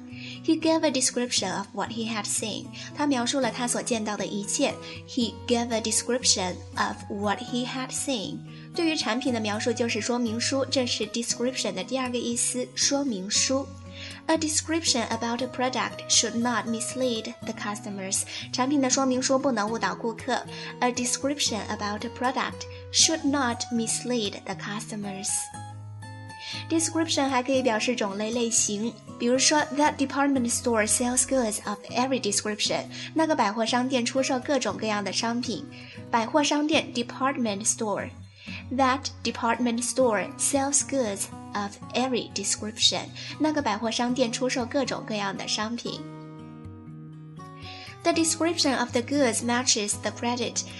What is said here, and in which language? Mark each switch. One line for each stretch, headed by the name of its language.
English: He gave a description of what he had seen.
Chinese: 他描述了他所见到的一切。
English: He gave a description of what he had seen.
Chinese: 对于产品的描述就是说明书，这是 description 的第二个意思，说明书。
English: A description about a product should not mislead the customers.
Chinese: 产品的说明书不能误导顾客。
English: A description about a product should not mislead the customers. Description
Chinese: 还可以表示种类类型。比如说
English: ,that department store sells goods of every description.
Chinese: 那个百货商店出售各种各样的商品。百货商店
English: department store. That department store sells goods. Of every description,
Chinese: 那个百货商店出售各种各样的商品。
English: The description of the goods matches the credit.